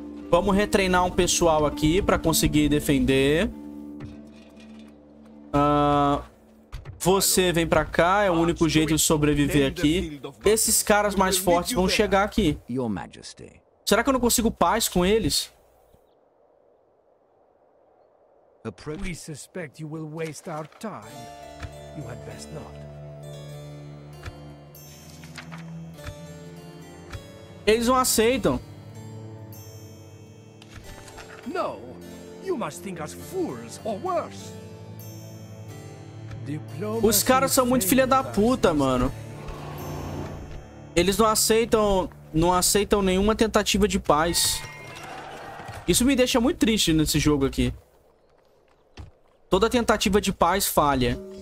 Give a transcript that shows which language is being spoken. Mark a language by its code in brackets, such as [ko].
[pt] Vamos retreinar um pessoal aqui pra conseguir defender. Você vem pra cá, é o único jeito de sobreviver aqui. Esses caras mais fortes vão chegar aqui. [en] Your Majesty. [pt] Será que eu não consigo paz com eles? [en] We suspect you will waste our time. You had best not. [pt] Eles não aceitam. [en] No, you must think us fools or worse. Diplomacy. [pt] Os caras são muito filha da puta, mano. Eles não aceitam. Não aceitam nenhuma tentativa de paz. Isso me deixa muito triste nesse jogo aqui. Toda tentativa de paz falha.